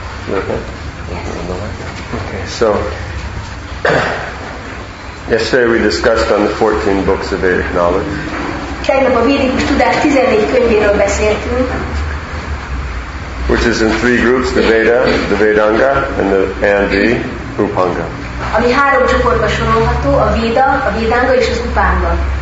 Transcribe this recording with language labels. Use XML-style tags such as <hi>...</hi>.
<en>Okay, so yesterday we discussed on the 14 books of Vedic knowledge.</en> <hu>Tegnap a védikus tudás 14 könyvéről beszéltünk.</hu> <en>Which is in three groups, the Veda, the Vedanga, and the Upanga.</en> <hu>Ami három csoportba sorolható, a Veda, a Vedanga és az Upanga.</hu>